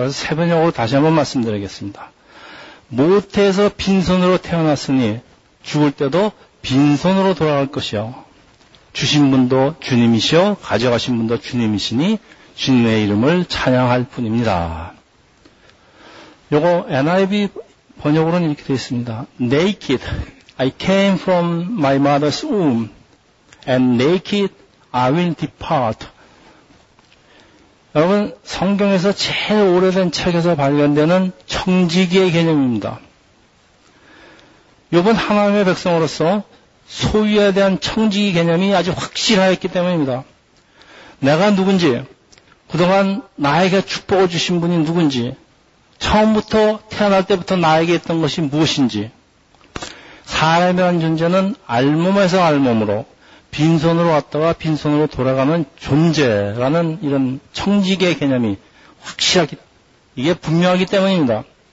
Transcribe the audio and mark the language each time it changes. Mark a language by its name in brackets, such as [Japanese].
[Korean] 그래서 새번역으로 다시 한번 말씀드리겠습니다. 못해서 빈손으로 태어났으니 죽을 때도 빈손으로 돌아갈 것이요. 주신 분도 주님이시요. 가져가신 분도 주님이시니 주님의 이름을 찬양할 뿐입니다. 요거 NIV 번역으로는 이렇게 되어 있습니다. [English] Naked, I came from my mother's womb, and naked, I will depart. [Korean] 여러분, 성경에서 제일 오래된 책에서 발견되는 청지기의 개념입니다. 요번 하나님의 백성으로서 소유에 대한 청지기 개념이 아주 확실하였기 때문입니다. 내가 누군지, 그동안 나에게 축복을 주신 분이 누군지, 처음부터 태어날 때부터 나에게 있던 것이 무엇인지, 사람이란 존재는 알몸에서 알몸으로 빈손으로 왔다가 빈손으로 돌아가는 존재라는 이런 청지기의 개념이 확실하게 이게 분명하기 때문입니다.